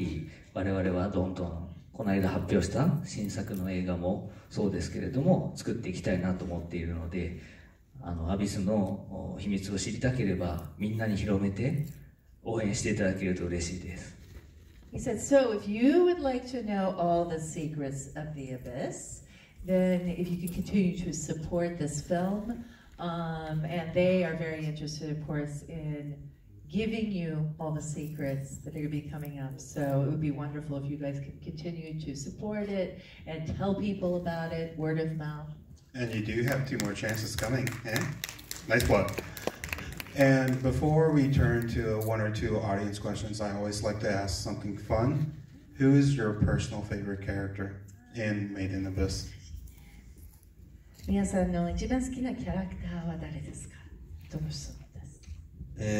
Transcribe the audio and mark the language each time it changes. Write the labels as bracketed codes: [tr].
[ja] なので、皆さんがこうして応援してくださる限り、我々はどんどん この間発表した新作の映画もそうですけれども、作っていきたいなと思っているので、アビスの秘密を知りたければ、みんなに広めて応援していただけると嬉しいです。 [en] He said, so if you would like to know all the secrets of the abyss, then if you could continue to support this film, and they are very interested, of course, in giving you all the secrets that are going to be coming up. So it would be wonderful if you guys could continue to support it and tell people about it, word of mouth. And you do have two more chances coming, eh? Nice plug. And before we turn to one or two audience questions, I always like to ask something fun. Who is your personal favorite character in Made in Abyss? [ja] 皆さんの一番好きなキャラクターは誰ですか?どうぞ。